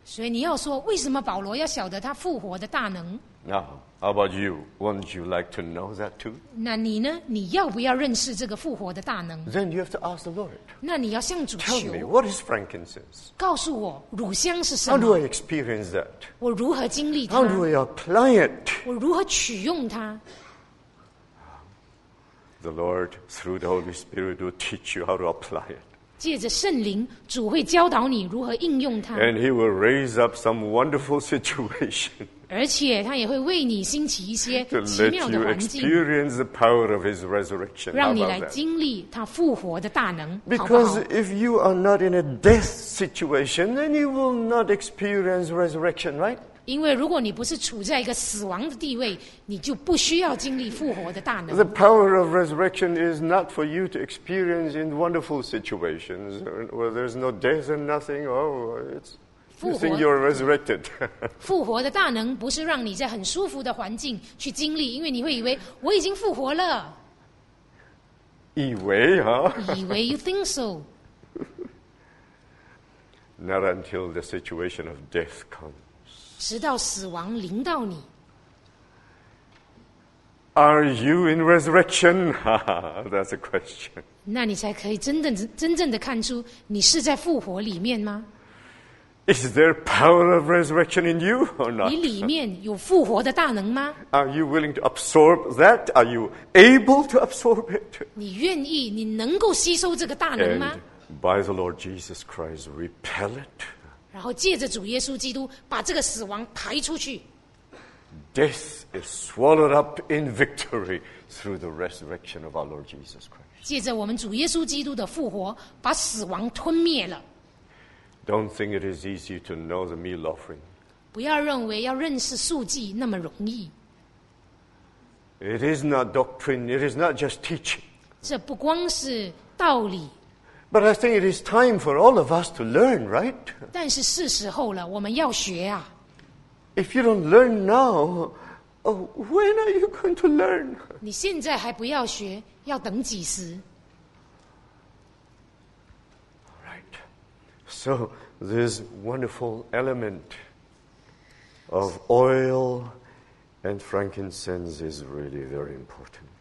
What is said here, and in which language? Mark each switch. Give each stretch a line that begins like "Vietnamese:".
Chinese: 所以你要说为什么保罗要晓得他复活的大能
English: ？Now, how about you? Wouldn't you like to know that too?
Chinese: 那你呢？你要不要认识这个复活的大能
English: ？Then you have to ask the Lord.
Chinese: 那你要向主求。
English: Tell me, what is frankincense?
Chinese: 告诉我乳香是什么
English: ？How do I experience that?
Chinese: 我如何经历它
English: ？How do I apply it?
Chinese: 我如何取用它？
English: The Lord, through the Holy Spirit, will teach you how to apply it.
Chinese: 借着圣灵，主会教导你如何应用它。
English: And He will raise up some wonderful situation.
Chinese: 而且他也会为你兴起一些奇妙的环境。
English: To let you experience the power of His resurrection.
Chinese: 让你来经历他复活的大能。
English: Because if you are not in a death situation, then you will not experience resurrection, right?
Chinese: 因为如果你不是处在一个死亡的地位，你就不需要经历复活的大能。
English: The power of resurrection is not for you to experience in wonderful situations where there's no death and nothing. Oh, you think you're resurrected.
Chinese: 复活的大能不是让你在很舒服的环境去经历，因为你会以为我已经复活了。以为哈？以为
English: you think so. Not until the situation of death comes.
Chinese: 直到死亡临到你。
English: Are you in resurrection? That's a question.
Chinese: 那你才可以真正的看出你是在复活里面吗
English: ？Is there power of resurrection in you or not?
Chinese: 你里面有复活的大能吗
English: ？Are you willing to absorb that? Are you able to absorb it?
Chinese: 你愿意？你能够吸收这个大能吗
English: ？And by the Lord Jesus Christ, repel it.
Chinese: 然后借着主耶稣基督把这个死亡排出去。
English: Death is swallowed up in victory through the resurrection of our Lord Jesus Christ.
Chinese: 借着我们主耶稣基督的复活，把死亡吞灭了。
English: Don't think it is easy to know the meal offering.
Chinese: 不要认为要认识素记那么容易。
English: It is not doctrine, it is not just teaching.
Chinese: 这不光是道理。
English: But I think it is time for all of us to learn, right?
Chinese: 但是是时候了，我们要学啊。
English: If you don't learn now, when are you going to learn?
Chinese: 你现在还不要学，要等几时？
English: So this wonderful element of oil and frankincense is really very important.